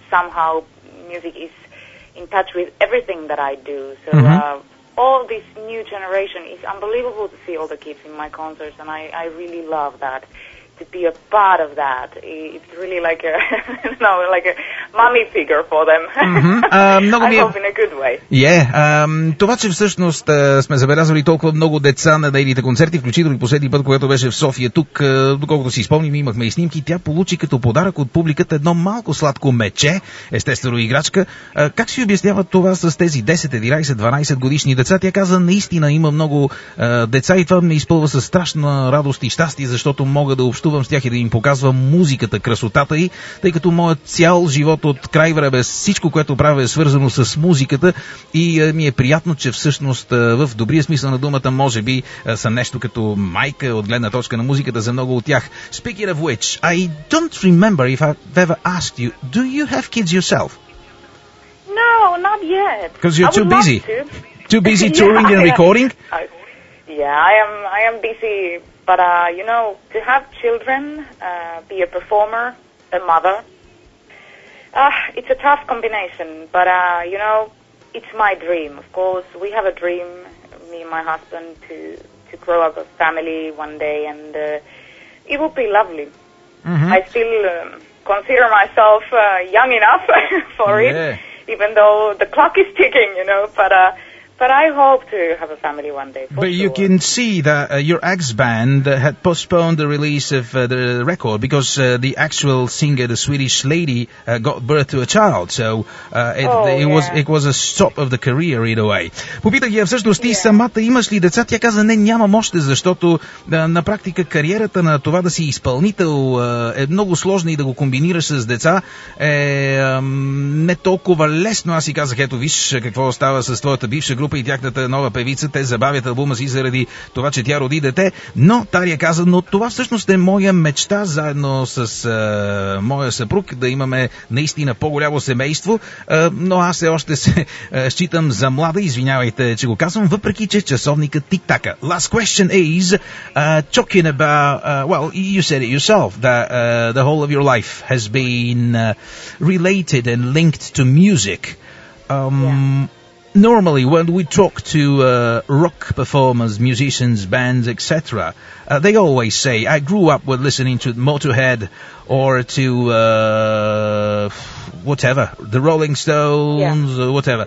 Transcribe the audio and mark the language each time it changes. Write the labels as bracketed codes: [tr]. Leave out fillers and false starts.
[en] Somehow music is in touch with everything that I do. So all this new generation, it's unbelievable to see all the kids in my concerts, and I really love that. To be a part of that, it's really like a mummy figure for them. [bg] Много ми е... [en] I hope in a good way. Yeah. [bg] Това, че всъщност сме забелязали толкова много деца на нейните концерти, включително и последния път, когато беше в София тук, доколкото си спомним, имахме и снимки, тя получи като подарък от публиката едно малко сладко мече, естествено играчка. Как си обяснява това с тези 10, 11, 12 годишни деца? Тя каза, наистина има много деца, и това ме изпълва със страшна радост и щастие, защото мога да общувам с тях и да им показвам музиката, красотата й, тъй като моят цял живот от край време, всичко, което правя, е свързано с музиката, и ми е приятно, че всъщност в добрия смисъл на думата, може би съм нещо като майка от гледна точка на музиката за много от тях. [en] Speaking of which, I don't remember if I've ever asked you, do you have kids yourself? No, not yet. Because you're too busy. Too busy touring and recording? I am busy, but you know, to have children, be a performer, a mother, it's a tough combination, but you know, it's my dream. Of course, we have a dream, me and my husband, to grow up a family one day, and it would be lovely. Mm-hmm. I still consider myself young enough for it, even though the clock is ticking, you know, but I hope to have a family one day. But sure. You can see that your ex-band had postponed the release of the record because the actual singer, the Swedish lady, got birth to a child. So it was a stop of the career, in a way. [bg] Попитах я, всъщност, ти самата имаш ли деца? Тя каза, не, нямам още, защото на практика кариерата на това да си изпълнител е много сложна, и да го комбинираш с деца е не толкова лесно. Аз си казах, ето виж какво става с твоята бивша група и тяхната нова певица, те забавят албума си заради това, че тя роди дете, но Тария каза, но това всъщност е моя мечта, заедно с моя съпруг, да имаме наистина по-голямо семейство, но аз все още се считам за млада, извинявайте, че го казвам, въпреки че часовника тик-така. [en] Last question is, talking about, well, you said it yourself, that the whole of your life has been related and linked to music. Normally, when we talk to rock performers, musicians, bands, etc., they always say, I grew up with listening to Motorhead or to whatever, the Rolling Stones or whatever.